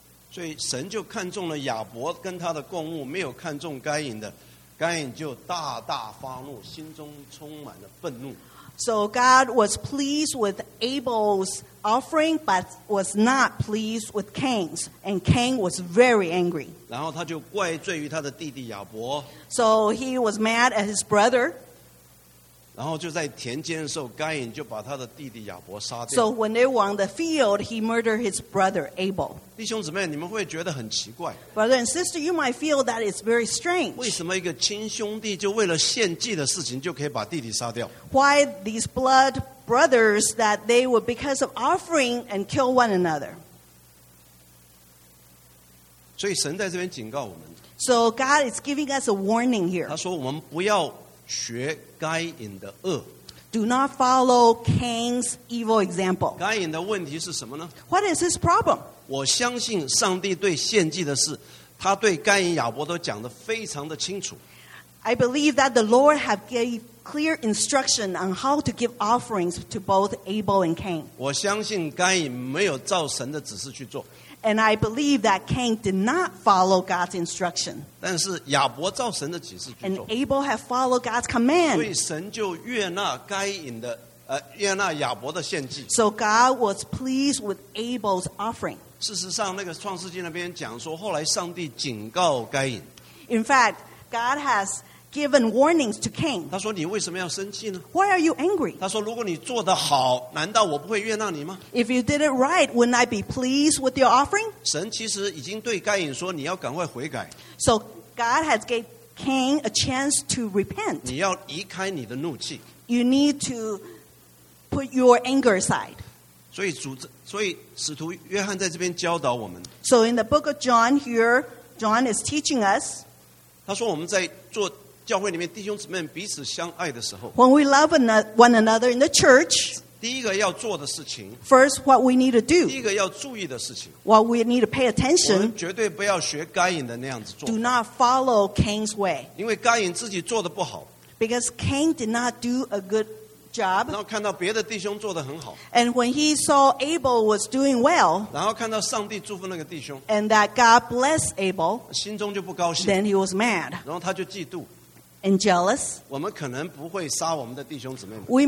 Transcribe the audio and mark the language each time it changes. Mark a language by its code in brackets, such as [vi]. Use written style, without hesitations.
[zh] 所以神就看中了亚伯跟他的供物，没有看中该隐的。该隐就大大发怒，心中充满了愤怒。 [en] So God was pleased with Abel's offering, but was not pleased with Cain's. And Cain was very angry. [zh] 然后他就怪罪于他的弟弟亚伯。 [en] So he was mad at his brother. [zh] 然后就在田间的时候，该隐就把他的弟弟亚伯杀掉。 [en] So when they were on the field, he murdered his brother Abel. [zh] 弟兄姊妹，你们会觉得很奇怪。 [en] Brother and sister, you might feel that it's very strange. [zh] 为什么一个亲兄弟就为了献祭的事情就可以把弟弟杀掉？ [en] Why these blood brothers that they were because of offering and kill one another? [zh] 所以神在这边警告我们。 [en] So God is giving us a warning here. [zh] 他说我们不要学该隐的恶。 [en] Do not follow Cain's evil example. [zh] 该隐的问题是什么呢？ [en] What is his problem? [zh] 我相信上帝对献祭的事，他对该隐亚伯都讲得非常的清楚。 [en] I believe that the Lord have gave clear instruction on how to give offerings to both Abel and Cain. [zh] 我相信该隐没有照神的指示去做。 [en] And I believe that Cain did not follow God's instruction. [zh] 但是亚伯照神的启示去做。 [en] And Abel had followed God's command. [zh] 所以神就悦纳该隐的，悦纳亚伯的献祭。 [en] So God was pleased with Abel's offering. [zh] 事实上，那个创世纪那边讲说，后来上帝警告该隐。 [en] In fact, God has given warnings to Cain. [zh] 他说：“你为什么要生气呢？” [en] Why are you angry? [zh] 他说：“如果你做得好，难道我不会悦纳你吗？” [en] If you did it right, wouldn't I be pleased with your offering? [zh] 神其实已经对该隐说：“你要赶快悔改。” [en] So God has gave Cain a chance to repent. [zh] 你要移开你的怒气。 [en] You need to put your anger aside. [zh] 所以使徒约翰在这边教导我们。 [en] So in the book of John here, John is teaching us. [zh] 他说：“我们在做。” 教会里面弟兄姊妹彼此相爱的时候 [en] When we love one another in the church [zh] 第一个要做的事情 [en] First what we need to do [zh] 第一个要注意的事情 [en] What we need to pay attention [zh] 我们绝对不要学该隐的那样子做 [en] Do not follow Cain's way [zh] 因为该隐自己做的不好 [en] Because Cain did not do a good job [zh] 然后看到别的弟兄做的很好 [en] And when he saw Abel was doing well [zh] 然后看到上帝祝福那个弟兄 [en] And that God blessed Abel [zh] 心中就不高兴 [en] Then he was mad [zh] 然后他就嫉妒 [en] And jealous. [zh] 我们可能不会杀我们的弟兄姊妹们。